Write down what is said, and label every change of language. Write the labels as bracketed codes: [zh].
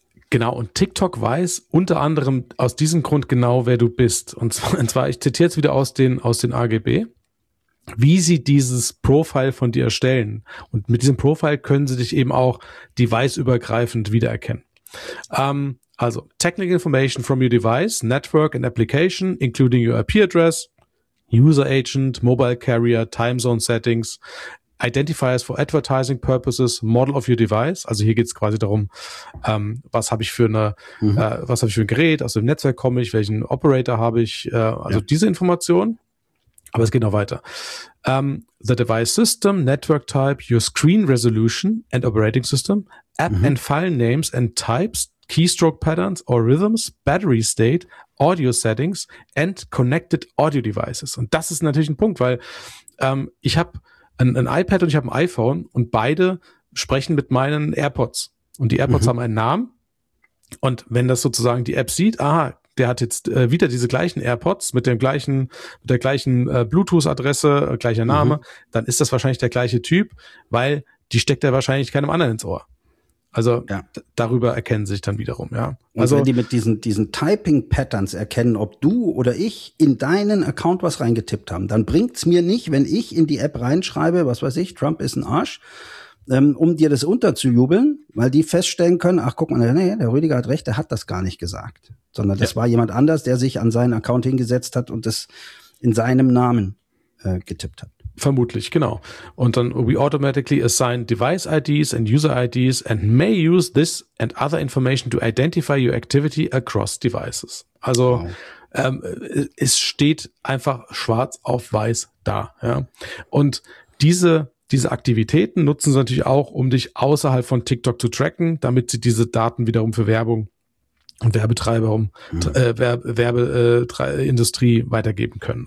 [de] Genau, und TikTok weiß unter anderem aus diesem Grund genau, wer du bist. Und zwar, ich zitiere jetzt wieder aus den AGB. Wie sie dieses Profile von dir erstellen. Und mit diesem Profile können sie dich eben auch deviceübergreifend wiedererkennen. [en] Also, technical information from your device, network and application, including your IP address, user agent, mobile carrier, time zone settings, identifiers for advertising purposes, model of your device. [de] Also hier geht es quasi darum, was habe ich für ein Gerät, aus dem Netzwerk komme ich, welchen Operator habe ich, diese Informationen. Aber es geht noch weiter. [en] The device system, network type, your screen resolution and operating system, app and file names and types, keystroke patterns or rhythms, battery state, audio settings and connected audio devices. [de] Und das ist natürlich ein Punkt, weil ich habe ein iPad und ich habe ein iPhone und beide sprechen mit meinen AirPods. Und die AirPods haben einen Namen. Und wenn das sozusagen die App sieht, aha, der hat jetzt wieder diese gleichen AirPods mit dem gleichen, mit der gleichen Bluetooth-Adresse, gleicher Name, dann ist das wahrscheinlich der gleiche Typ, weil die steckt er wahrscheinlich keinem anderen ins Ohr. Also darüber erkennen sich dann wiederum, ja. Also wenn die mit diesen Typing-Patterns erkennen, ob du oder ich in deinen Account was reingetippt haben, dann bringt's mir nicht, wenn ich in die App reinschreibe, was weiß ich, Trump ist ein Arsch, um dir das unterzujubeln, weil die feststellen können, ach guck mal, nee, der Rüdiger hat recht, der hat das gar nicht gesagt. Sondern das war jemand anders, der sich an seinen Account hingesetzt hat und das in seinem Namen getippt hat. Vermutlich, genau. Und dann, [en] we automatically assign device IDs and user IDs and may use this and other information to identify your activity across devices. [de] Also, es steht einfach schwarz auf weiß da. Ja. Und diese Aktivitäten nutzen sie natürlich auch, um dich außerhalb von TikTok zu tracken, damit sie diese Daten wiederum für Werbung und Werbetreiber Werbeindustrie weitergeben können.